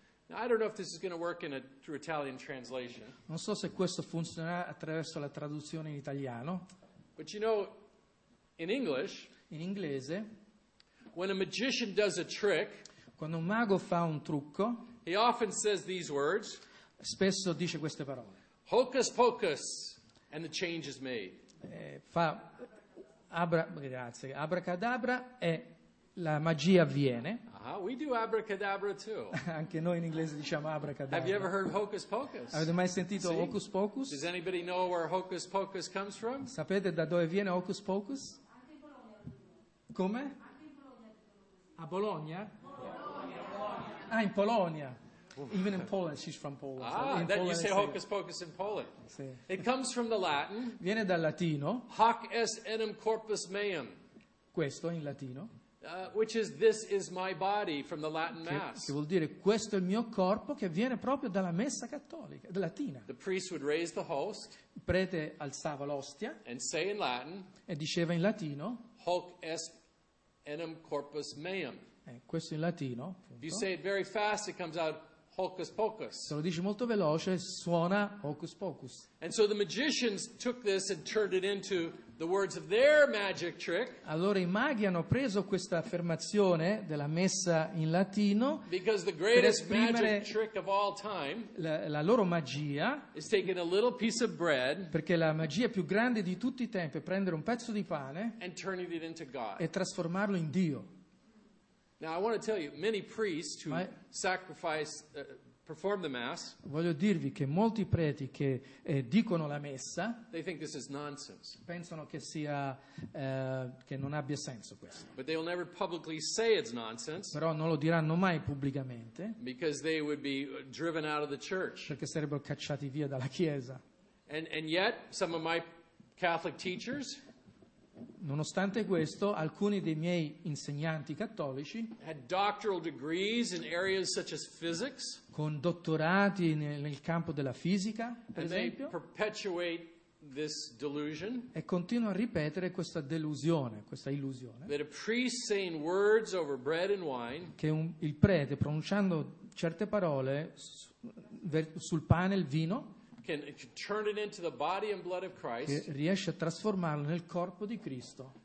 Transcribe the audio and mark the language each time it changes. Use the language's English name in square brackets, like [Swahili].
[English] Now, I don't know if this is going to work in a true Italian translation. [Italian] Non so se questo funzionerà attraverso la traduzione in italiano. [English] But you know, in English, [Italian] In inglese, [English] when a magician does a trick, [Italian] quando un mago fa un trucco, [English] he often says these words, [Italian] spesso dice queste parole, [English] hocus pocus, and the change is made. [Italian] Fa abra, grazie, abracadabra, e la magia avviene. [English] We do abracadabra too. [Italian] Anche noi in inglese diciamo abracadabra. [English] Have you ever heard hocus pocus? [Italian] Avete mai sentito hocus pocus? [English] Does anybody know where hocus pocus comes from? [Italian] Sapete da dove viene hocus pocus? Come? A Bologna? Ah, in Polonia. [English] Even in Poland, she's from Poland. Ah, in then Poland, you say hocus pocus in Poland. [Italian] Sì. [English] It comes from the Latin. [Italian] Viene dal latino. [Latin] Hoc est enim corpus meum. [Italian] Questo in latino. [English] Which is this is my body from the Latin Mass. [Italian] Che vuol dire questo è il mio corpo, che viene proprio dalla messa cattolica, dalla latina. [English] The priest would raise the host. [Italian] Il prete alzava l'ostia. [English] And say in Latin. [Italian] E diceva in latino. [Latin] Hoc est enim corpus meum. [Italian] Questo in latino. [English] If you say it very fast, it comes out hocus pocus. [Italian] Se lo dici molto veloce, suona hocus pocus. [English] And so the magicians took this and turned it into the words of their magic trick. [Italian] Allora i maghi hanno preso questa affermazione della messa in latino. [English] Because the greatest magic trick of all time. [Italian] La loro magia. [English] Is taking a little piece of bread. [Italian] Perché la magia più grande di tutti i tempi è prendere un pezzo di pane. [English] And turning it into God. [Italian] E trasformarlo in Dio. [English] Now I want to tell you, many priests who sacrifice, perform the mass. [Italian] Voglio dirvi che molti preti che dicono la messa, [English] they think this is nonsense. [Italian] Pensano che sia che non abbia senso questo. [English] But they will never publicly say it's nonsense. [Italian] Però non lo diranno mai pubblicamente. [English] Because they would be driven out of the church. [Italian] Perché sarebbero cacciati via dalla chiesa. [English] And yet, some of my Catholic teachers. [Italian] Nonostante questo, alcuni dei miei insegnanti cattolici [English] had doctoral degrees in areas such as physics, [Italian] con dottorati nel campo della fisica, per [English] and [Italian] esempio, [English] they perpetuate this delusion, [Italian] e continuano a ripetere questa delusione, questa illusione, [English] that a priest saying words over bread and wine, [Italian] che il prete pronunciando certe parole sul pane e il vino, [English] can turn it into the body and blood of Christ, [Italian] che riesce a trasformarlo nel corpo di Cristo,